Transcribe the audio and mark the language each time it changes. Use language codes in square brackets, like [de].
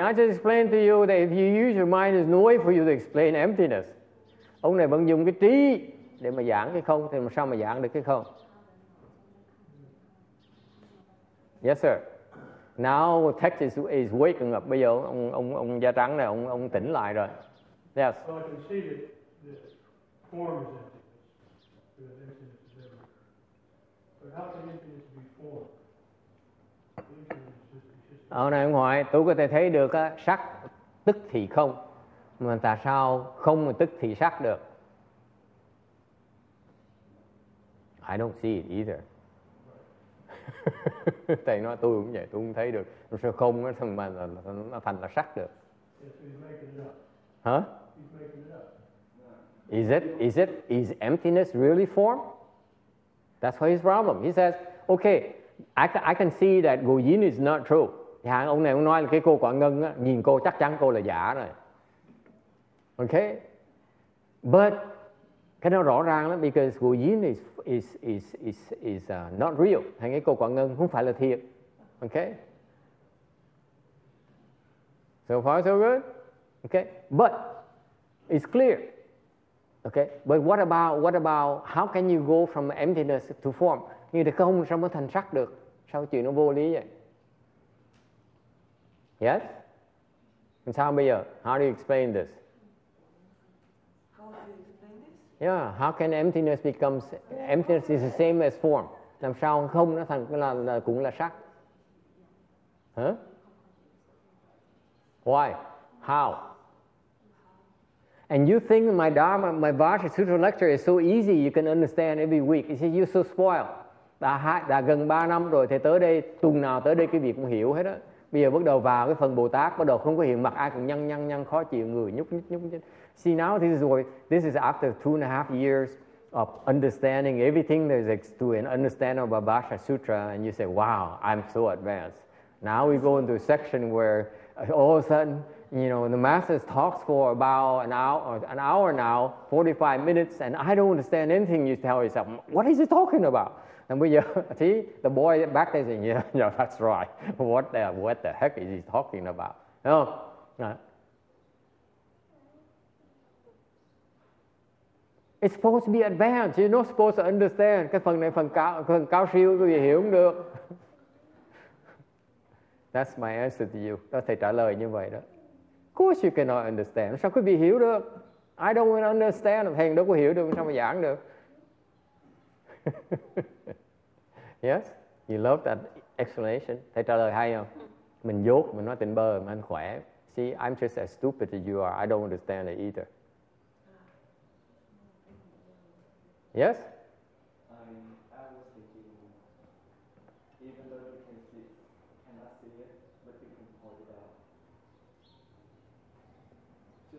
[en] I just explained to you that if you use your mind, there's no way for you to explain emptiness. [vi] Ông này vẫn dùng cái trí để mà giảng cái không, thì sao mà giảng được cái không? [en] Yes, sir. Now text is waking up. [vi] Bây giờ ông da trắng này ông tỉnh lại rồi. [en] Yes. So I can see that the form is emptiness. But how can emptiness be formed? [vi] Ông này ông hỏi, tôi có thể thấy được á, sắc tức thì không, mà tại sao không mà tức thì sắc được? [en] I don't see it either. [vi] Thầy nói tôi cũng vậy, tôi không thấy được. Nó sẽ không mà nó thành là sắc được. Hả? [en] Huh? Is emptiness really form? That's why his problem. He says, okay, I can see that Go Yin is not true. [vi] Dạ, ông này ông nói là cái cô Quả Ngân á, nhìn cô chắc chắn cô là giả rồi. Okay? [en] But [vi] cái nó rõ ràng lắm, [en] because Go Yin is not real. [vi] Thành cái cô Quả Ngân không phải là thiệt. [en] Okay? So far so good? Okay? But it's clear. Okay? But what about how can you go from emptiness to form? [vi] Như thế không sao mới thành sắc được? Sao chuyện nó vô lý vậy? [en] Yes? And [vi] sao bây giờ? [en] How do you explain this? Yeah, how can emptiness become emptiness is the same as form? [vi] Làm sao không nó thành là cũng là sắc? Huh? [en] Why? How? And you think my Dharma, my Vajra Sutra lecture is so easy you can understand every week? You see, you're so spoiled. [vi] Đã gần 3 năm rồi, thì tới đây tuần nào tới đây cái việc cũng hiểu hết á. Bây giờ bắt đầu vào cái phần Bồ Tát, bắt đầu không có hiện mặt, ai cũng nhăn khó chịu, người nhúc. [en] See, now this is after 2.5 years of understanding everything there is to understand about Vajra Sutra, and you say, wow, I'm so advanced. Now we go into a section where all of a sudden, you know, the master talks for about an hour now, 45 minutes, and I don't understand anything. You tell yourself, what is he talking about? And [vi] bây giờ, [en] see, the boy back there saying, yeah, that's right. What the heck is he talking about? You know? It's supposed to be advanced. You're not supposed to understand. [vi] Cái phần này phần cao siêu, quý vị hiểu không được. [en] That's my answer to you. [vi] Đó, thầy trả lời như vậy đó. [en] Of course you cannot understand. [vi] Sao quý vị hiểu được? [en] I don't want to understand. [vi] Thầy đâu có hiểu được. Sao mà giảng được? [en] Yes? You love that explanation? [vi] Thầy trả lời hay không? Mình dốt, mình nói tỉnh bơ, mình ăn khỏe. [en] See, I'm just as stupid as you are. I don't understand it either. Yes? I was thinking, even though you can see, cannot see it, but you can hold it out.